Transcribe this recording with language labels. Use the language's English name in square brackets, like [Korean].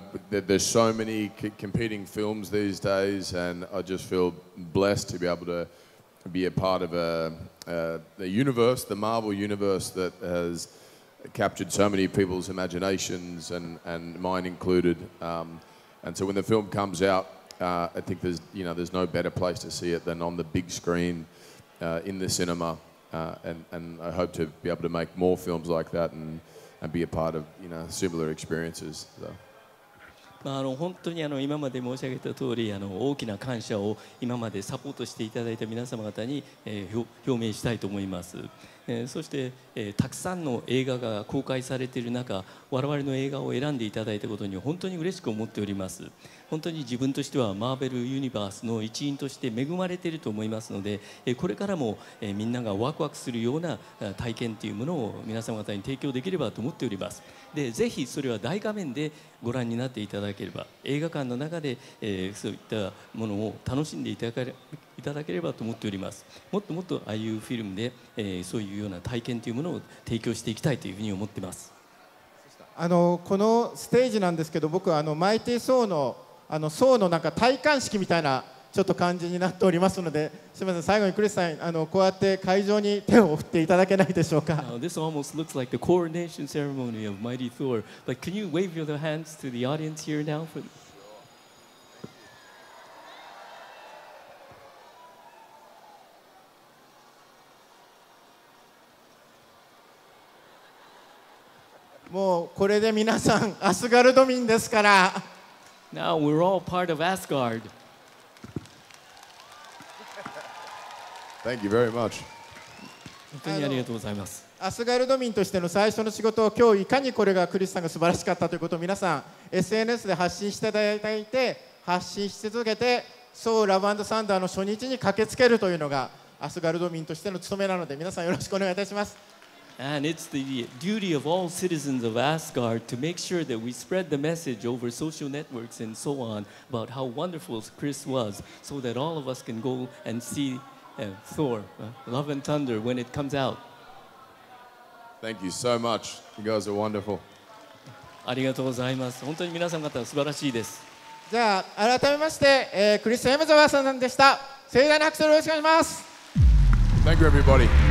[English] There's so many competing films these days, and I just feel blessed to be able to be a part of a universe, the Marvel universe, that has captured so many people's imaginations and mine included. And so when the film comes out, I think there's no better place to see it than on the big screen in the cinema. And I hope to be able to make more films like that and be a part of, you know, similar experiences. So. [Japanese] まあ、本当に今まで申し上げた通り大きな感謝を今までサポートしていただいた皆様方に、表明したいと思います、そして、たくさんの映画が公開されている中我々の映画を選んでいただいたことに本当に嬉しく思っております。本当に自分としてはマーベルユニバースの一員として恵まれていると思いますので、これからも、みんながワクワクするような体験というものを皆様方に提供できればと思っております。でぜひそれは大画面でご覧になっていただければ、映画館の中で、そういったものを楽しんでいただければと思っております。もっともっとああいうフィルムで、そういうような体験というものを提供していきたいというふうに思っています。このステージなんですけど、僕はマイティソーの層のなんか戴冠式みたいなちょっと感じになっておりますので、すみません、最後にクリスさん、こうやって会場に手を振っていただけないでしょうか。 [English] Now, This almost looks like the coronation ceremony of Mighty Thor, but can you wave your hands to the audience here now for... [Japanese] もうこれで皆さんアスガルド民ですから。 [English] Now we're all part of Asgard. Thank you very much. [Japanese] 本当にありがとうございます。アスガルド民としての最初の仕事を、今日いかにこれがクリスさんが素晴らしかったということを皆さん SNS で発信していただいて、発信し続けて、そうラブ&サンダーの初日に駆けつけるというのがアスガルド民としての務めなので、皆さんよろしくお願いいたします。 [English] And it's the duty of all citizens of Asgard to make sure that we spread the message over social networks and so on about how wonderful Chris was, so that all of us can go and see Thor, Love and Thunder, when it comes out. Thank you so much. You guys are wonderful. [Japanese] ありがとうございます。本当に皆さん方は素晴らしいです。じゃあ改めまして、クリス・ヘムズワーさんでした。盛大な拍手をよろしくお願いします。 [English] Thank you, everybody.